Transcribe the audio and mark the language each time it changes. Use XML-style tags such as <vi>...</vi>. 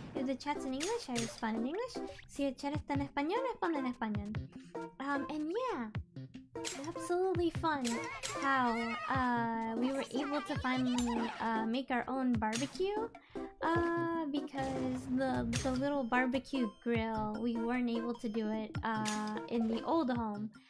<en>If the chat's in English, I respond in English.</en> <es>Si el chat está en español, responde en español.</es> <en>And yeah, absolutely fun how we were able to finally make our own barbecue. Because the little barbecue grill, we weren't able to do it in the old home.</en>